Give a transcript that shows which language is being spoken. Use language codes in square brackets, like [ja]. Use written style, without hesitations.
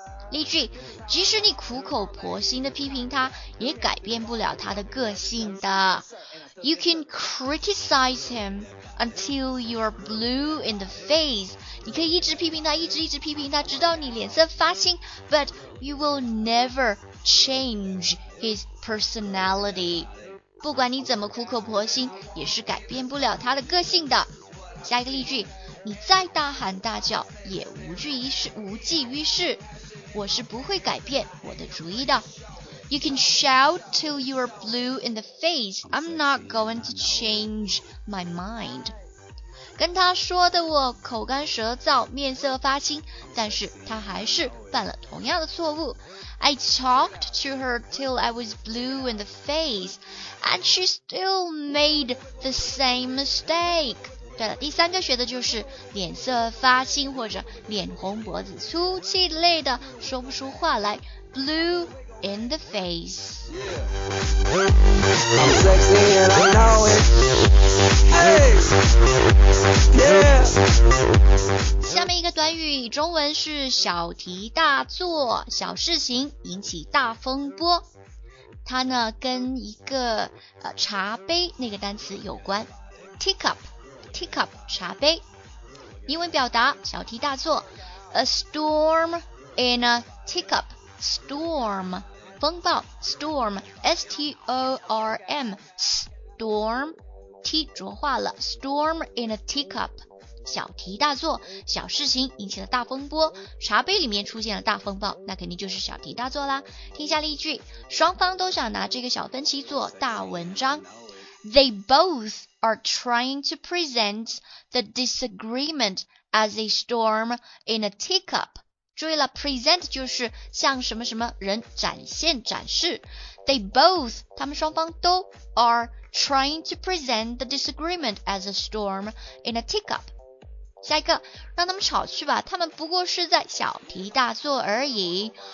[zh] 例句即使你苦口婆心的批评他也改变不了他的个性的 [en] You can criticize him until you are blue in the face [zh] 你可以一直批评他一直批评他直到你脸色发青 [en] But you will never change his personality [zh] 不管你怎么苦口婆心，也是改变不了他的个性的。下一个例句，你再大喊大叫也无济于事，我是不会改变我的主意的。 [en] You can shout till you are blue in the face. I'm not going to change my mind. [zh] 跟他说的我口干舌燥，面色发青，但是他还是犯了同样的错误。 [en] I talked to her till I was blue in the face, and she still made the same mistake. [zh] 对了，第三个学的就是脸色发青或者脸红脖子粗气累的说不出话来。 [en] Blue. In the face. I'm sexy and I know it. Hey. Yeah. [zh] 下面一个短语，中文是小题大做，小事情引起大风波。它呢跟一个茶杯那个单词有关 ，teacup， 茶杯。英文表达小题大做 ， [en] a storm in a teacup. [zh] Storm. 风暴 storm s t o r m storm t 浊化了 [en] storm in a teacup [zh] 小题大做，小事情引起了大风波，茶杯里面出现了大风暴，那肯定就是小题大做啦。听下例句，双方都想拿这个小分歧做大文章。 [en] They both are trying to present the disagreement as a storm in a teacup. [zh] 注意了 ，present 就是向什么什么人展现、展示。 [en] They both， [zh] 他们双方都 [en] are trying to present the disagreement as a storm in a teacup。 [zh] 下一个，让他们吵去吧，他们不过是在小题大做而已。